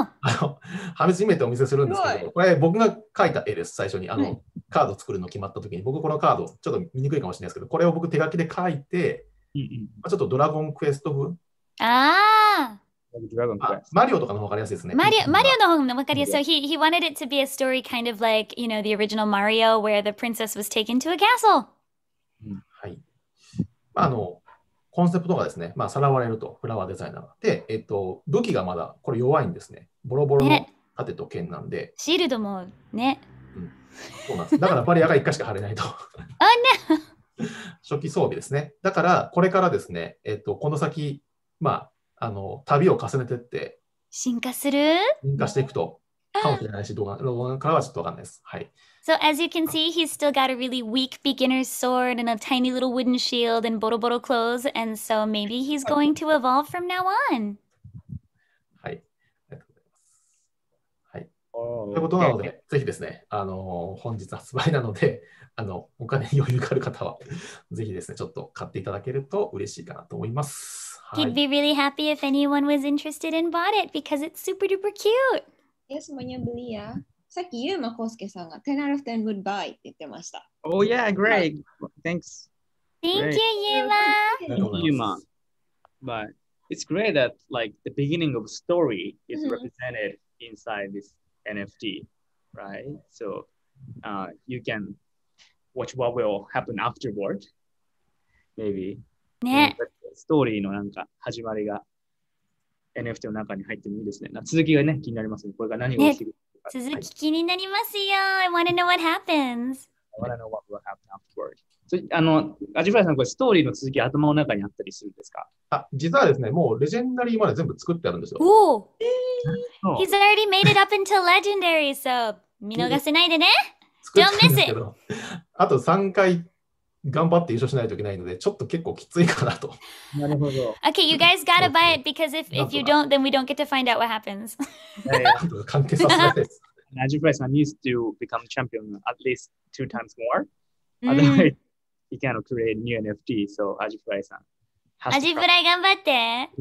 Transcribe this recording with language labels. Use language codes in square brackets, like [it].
[ja] 破滅に見えてお見せするんですけど、これ僕が描いた絵です、最初に。カード作るの決まったときに、僕このカード、ちょっと見にくいかもしれないですけど、これを僕手書きで描いて、ちょっとドラゴンクエスト風。ああ。マリオとかの方が分かりやすいですね。マリオの方が分かりやすい。 [en] So he wanted it to be a story kind of like, you know, the original Mario where the princess was taken to a castle. [ja] はい。まあ、コンセプトがですね、まあ、さらわれると、フラワーデザイナー。で、武器がまだ、これ弱いんですね。ボロボロの盾と剣なんで。ね、シールドもね、うん。そうなんです。だからバリアが1回しか貼れないと。あ、ね。初期装備ですね。だから、これからですね、この先、まあ、旅を重ねてって進化する進化していくとかもしれないし、動画からはちょっとわかんないです。はい。 [en] So as you can see, he's still got a really weak beginner's sword and a tiny little wooden shield and boro boro clothes, and so maybe he's going to evolve from now on. [ja] はい。ありがとうございます。はい。ということなので、ぜひですね、本日発売なので、お金余裕がある方は、ぜひですね、ちょっと買っていただけると嬉しいかなと思います。 [en] He'd be really happy if anyone was interested and bought it because it's super duper cute. Yes, [ja] Monya Belia. さっきユーマコスケさんが [en] 10 out of 10 would buy [ja] って言ってました。 [en] Oh yeah, great. Thanks. Thank you, Yuma. Yuma. But it's great that like the beginning of story is mm-hmm. represented inside this NFT, right? So you can watch what will happen afterward. Maybe. [ja] ね。ストーリーのなんか始まりが NFT の中に入ってもいいですね。続きがね、気になりますね。これが何が起きるか、ね、続き気になりますよ。はい、 [en] I want to know what happens. I want to know what will happen afterward. [ja] アジフライさん、これストーリーの続き頭の中にあったりするんですか？あ、実はですね、もうレジェンダリーまで全部作ってあるんですよ。 [en] おぉ !He's already made it up until legendary, so [ja] 見逃せないでね。 [en] Don't miss it! [ja] あと3回頑張って優勝しないといけないので、ちょっと結構きついかなと。なるほど。 [en] Okay, you guys gotta buy it because if you don't, then we don't get to find out what happens. [ja] 関係させないです。 [en] Ajiprice needs to become champion at least two times more. Otherwise, he cannot create new NFT, so Ajiprice has to. Ajiprice, [ja] 頑張って。